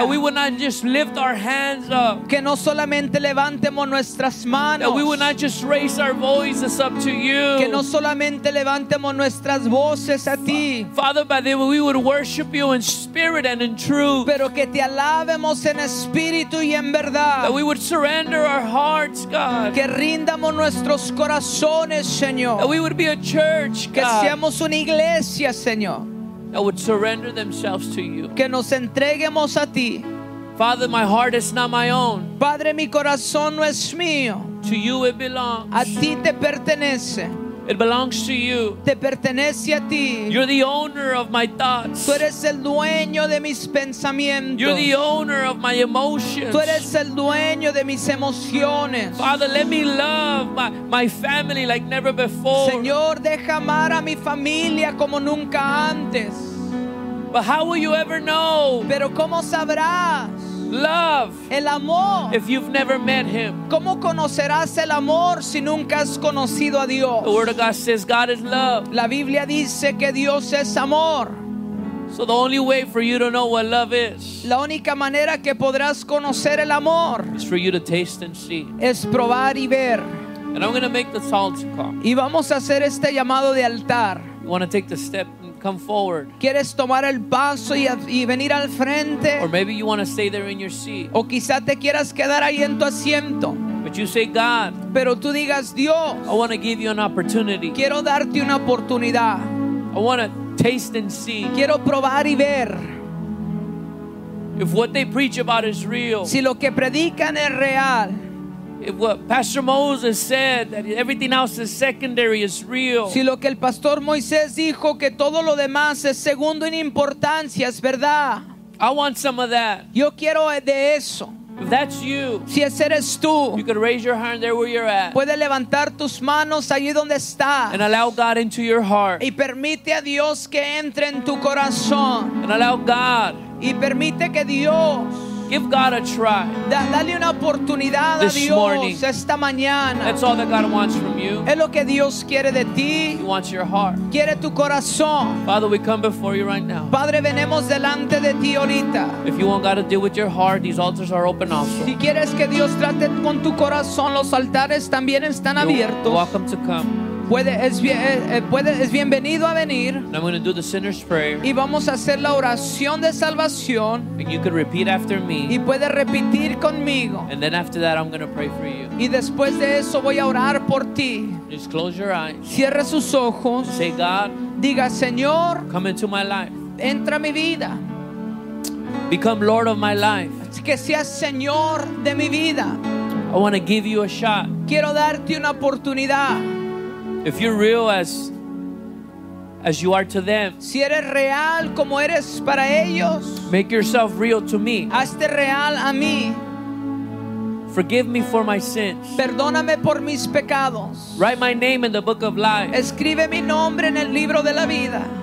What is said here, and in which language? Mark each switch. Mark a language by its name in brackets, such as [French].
[English] that we would not just lift our hands up, [Spanish] que no solamente levantemos nuestras manos, [English] that we would not just raise our voices up to you, [Spanish] que no solamente levantemos nuestras voces a ti, [English] Father, but that we would worship you in spirit and in truth, [Spanish] pero que te alabemos en espíritu y en verdad, [English] that we would surrender our hearts, God, [Spanish] que rindamos nuestros corazones, Señor, [English] that we would be a church, God, [Spanish] que seamos una iglesia, Señor, [English] that would surrender themselves to you. [Spanish] Que nos entreguemos a ti. [English] Father, my heart is not my own. [Spanish] Padre, mi corazón no es mío. [English] To you it belongs. [Spanish] A ti te pertenece. [English] It belongs to you. [Spanish] Te pertenece a ti. [English] You're the owner of my thoughts. [Spanish] Tú eres el dueño de mis pensamientos. [English] You're the owner of my emotions. [Spanish] Tú eres el dueño de mis emociones. [English] Father, let me love my family like never before. [Spanish] Señor, deja amar a mi familia como nunca antes. [English] But how will you ever know? [Spanish] Pero cómo sabrás? [English] Love. [Spanish] El amor. [English] If you've never met him. [Spanish] ¿Cómo conocerás el amor si nunca has conocido a Dios? [English] The word of God says God is love. [Spanish] La Biblia dice que Dios es amor. [English] So the only way for you to know what love is, [Spanish] la única manera que podrás conocer el amor, [English] is for you to taste and see. [Spanish] Es probar y ver. [English] And I'm going to make this altar call. [Spanish] Y vamos a hacer este llamado de altar. [English] You want to take the step and come forward. [Spanish] ¿Quieres tomar el paso y venir al frente? [English] Or maybe you want to stay there in your seat. [Spanish] O quizá te quieras quedar ahí en tu asiento. [English] But you say, God, [Spanish] pero tú digas, Dios, [English] I want to give you an opportunity. [Spanish] Quiero darte una oportunidad. [English] I want to taste and see. [Spanish] Quiero probar y ver. [English] If what they preach about is real. [Spanish] Si lo que predican es real. [English] If what Pastor Moses said, that everything else is secondary, is real. [Spanish] Si lo que el Pastor Moisés dijo, que todo lo demás es segundo en importancia, es verdad. [English] I want some of that. [Spanish] Yo quiero de eso. [English] If that's you, [Spanish] si ese eres tú, [English] you could raise your hand there where you're at. [Spanish] Puedes levantar tus manos allí donde estás. [English] And allow God into your heart. [Spanish] Y permite a Dios que entre en tu corazón. [English] And allow God. [Spanish] Y permite que Dios. [English] Give God a try. [Spanish] Dale una oportunidad [English] this [Spanish] a Dios [English] morning. [Spanish] Esta mañana. [English] That's all that God wants from you. [Spanish] Es lo que Dios quiere de ti. [English] He wants your heart. [Spanish] Quiere tu corazón. [English] Father, we come before you right now. [Spanish] Padre, venemos delante de ti ahorita. [English] If you want God to deal with your heart, these altars are open also. [Spanish] Si quieres que Dios trate con tu corazón, los altares también están abiertos. [English] You're welcome to come. [Spanish] Es bienvenido a venir. [English] And I'm going to do the sinner's prayer. [Spanish] Y vamos a hacer la oración de salvación. [English] And you can repeat after me. [Spanish] Y puedes repetir conmigo. [English] And then after that, I'm going to pray for you. [Spanish] Y después de eso voy a orar por ti. [English] Just close your eyes. [Spanish] Cierra sus ojos. [English] Say, God, [Spanish] diga, Señor, [English] come into my life. [Spanish] Entra a mi vida. [English] Become Lord of my life. [Spanish] Que seas Señor de mi vida. [English] I want to give you a shot. [Spanish] Quiero darte una oportunidad. [English] If you're real as you are to them, [Spanish] si eres real como eres para ellos, [English] make yourself real to me. [Spanish] Hazte real a mí. [English] Forgive me for my sins. [Spanish] Perdóname por mis pecados. [English] Write my name in the book of life. [Spanish] Escribe mi nombre en el libro de la vida.